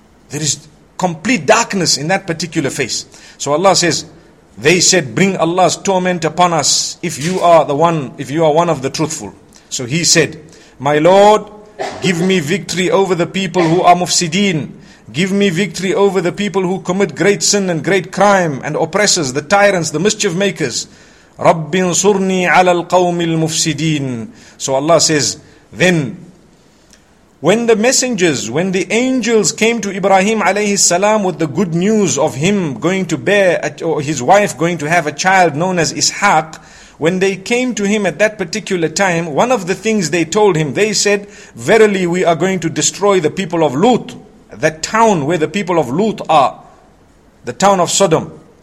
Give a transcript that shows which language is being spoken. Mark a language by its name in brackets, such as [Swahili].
[English] There is complete darkness in that particular face. So Allah says, they said, bring Allah's torment upon us if you are the one, if you are one of the truthful. So he said, my Lord, give me victory over the people who are mufsideen. Give me victory over the people who commit great sin and great crime and oppressors, the tyrants, the mischief makers. [Arabic] رَبِّ انصرني على القوم المفسدين. [English] So Allah says, then, when the messengers, when the angels came to Ibrahim alayhi salam with the good news of him going to bear, or his wife going to have a child known as Ishaq, when they came to him at that particular time, one of the things they told him, they said, verily we are going to destroy the people of Lut, that town where the people of Lut are, the town of Sodom.